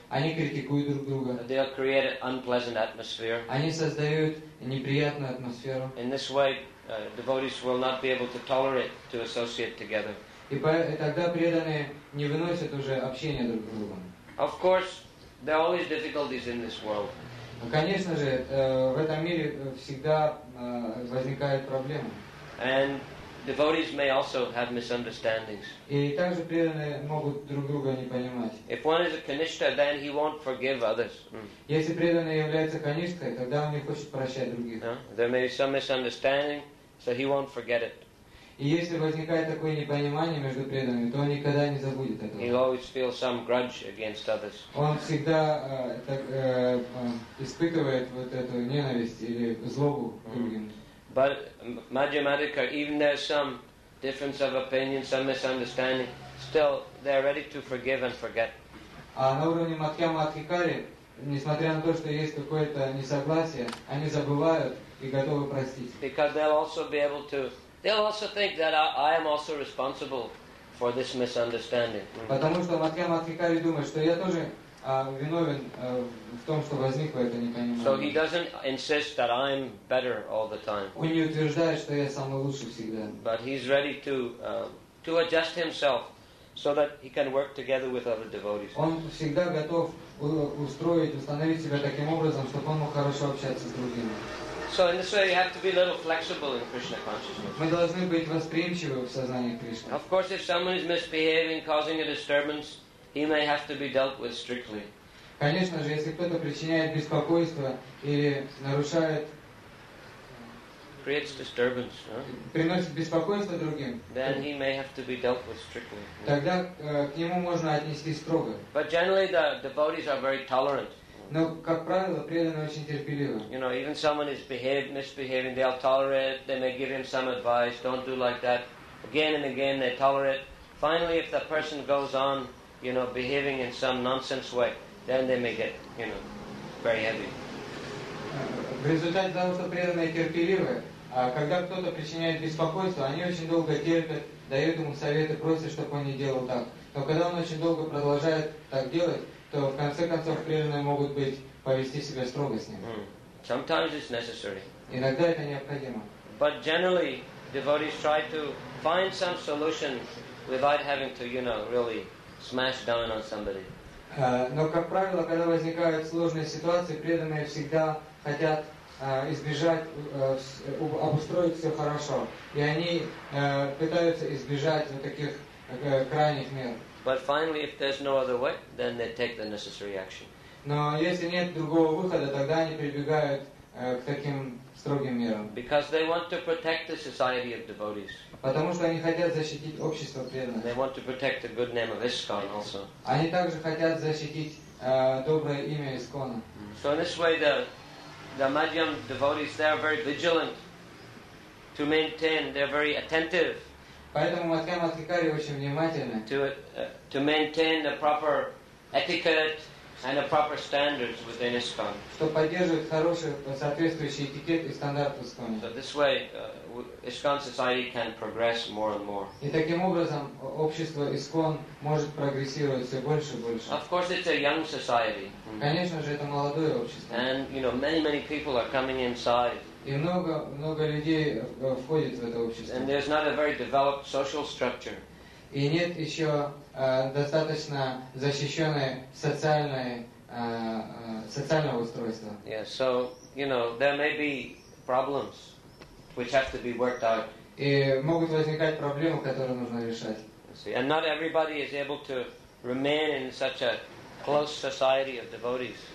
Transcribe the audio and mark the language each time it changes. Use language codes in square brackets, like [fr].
[ru] Они критикуют друг друга. [en] They all create an unpleasant atmosphere. [ru] Они создают неприятную атмосферу. [en] In this way, devotees will not be able to tolerate to associate together. [ru] И тогда преданные не выносят уже общения друг с другом. [en] Of course, there are always difficulties in this world. [ru] Конечно же, в этом мире всегда возникают проблемы. [en] And devotees may also have misunderstandings. [ru] И также преданные могут друг друга не понимать. [en] If one is a Kanishtha, then he won't forgive others. [ru] Если преданный является Kanishtha, тогда он не хочет прощать других. [en] There may be some misunderstanding, so he won't forget it. [ru] И если возникает такое непонимание между преданными, то он никогда не забудет этого. [en] He'll always feel some grudge against others. [ru] Он всегда испытывает вот эту ненависть или злобу к другим. [en] But Madhyamadhika, even there's some difference of opinion, some misunderstanding, still they're ready to forgive and forget. [ru] А на уровне Мадхьяма-Адхикари, несмотря на то, что есть какое-то несогласие, они забывают и готовы простить. [en] Because they'll also be able to They'll also think that I am also responsible for this misunderstanding. [ru] Потому что Мадхьяма-Адхикари думает, что я тоже виновен в том, что возникло это непонимание. [en] So he doesn't insist that I'm better all the time. [ru] Он не утверждает, что я самый лучший всегда. [en] But he's ready to adjust himself so that he can work together with other devotees. [ru] Он всегда готов установить себя таким образом, чтобы он мог хорошо общаться с другими. [en] So in this way, you have to be a little flexible in Krishna consciousness. [ru] Мы должны быть восприимчивы в сознании Кришны. [en] Of course, if someone is misbehaving, causing a disturbance, he may have to be dealt with strictly. [ru] Конечно же, если кто-то причиняет беспокойство или нарушает, [en] creates disturbance, [ru] приносит беспокойство другим, [en] then he may have to be dealt with strictly. [ru] Тогда к нему можно отнестись строго. [en] But generally, the devotees are very tolerant. [ru] Но, как правило, преданные очень терпеливы. [en] You know, even someone is misbehaving, they'll tolerate, they may give him some advice, don't do like that. Again and again they tolerate. Finally, if the person goes on, you know, behaving in some nonsense way, then they may get, you know, very heavy. [ru] В результате того, что преданные терпеливы, когда кто-то причиняет беспокойство, они очень долго терпят, дают ему советы, просят, чтобы он не делал так. Но когда он очень долго продолжает так делать, то в конце концов преданные могут быть повести себя строго с ним. [en] Sometimes it's necessary. [ru] Иногда это необходимо. [en] But generally, devotees try to find some solution without having to, you know, really smash down on somebody. [ru] Но как правило, когда возникают сложные ситуации, преданные всегда хотят обустроить все хорошо, и они пытаются избежать вот таких крайних мер. [en] But finally, if there's no other way, then they take the necessary action. [ru] Но если нет другого выхода, тогда они прибегают к таким строгим мерам. [en] Because they want to protect the society of devotees. [ru] Потому что они хотят защитить общество преданных. [en] They want to protect the good name of ISKCON also. [ru] Они также хотят защитить доброе имя ИСККОНа. [en] So in this way, the Madhyam devotees, they are very vigilant to maintain. They're very attentive. [ru] Поэтому Мадхьяма-Адхикари очень внимательны [en] to maintain the proper etiquette and the proper standards within ISKCON. [ru] Что поддерживает хорошие соответствующие этикеты и стандарты ISKCON. [en] So this way, ISKCON society can progress more and more. [ru] И таким образом общество ISKCON может прогрессировать все больше и больше. [en] Of course, it's a young society. [ru] Конечно же, это молодое общество. [en] And you know, many people are coming inside. [ru] И много людей входит в это общество. [en] And there's not a very developed social structure. [ru] И нет еще достаточно защищенной социального устройства. [en] Yeah, so you know there may be problems which have to be worked out. [ru] И могут возникать проблемы, которые нужно решать. [en] See, and not everybody is able to remain in such a close society of devotees.